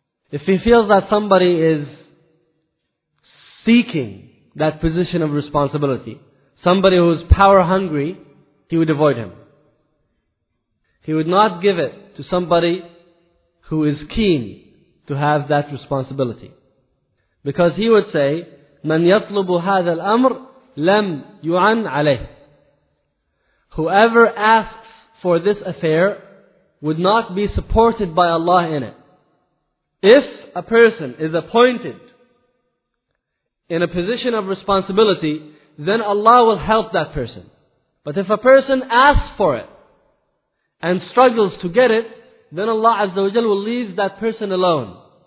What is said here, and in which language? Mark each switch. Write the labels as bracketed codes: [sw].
[en] If he feels that somebody is seeking that position of responsibility, somebody who is power hungry, he would avoid him. He would not give it to somebody who is keen to have that responsibility. Because he would say, [ar] مَنْ يَطْلُبُ هَذَا الْأَمْرِ لَمْ يُعَنْ عَلَيْهِ. [en] Whoever asks for this affair would not be supported by Allah in it. If a person is appointed in a position of responsibility, then Allah will help that person. But if a person asks for it and struggles to get it, then Allah Azza wa Jalla will leave that person alone.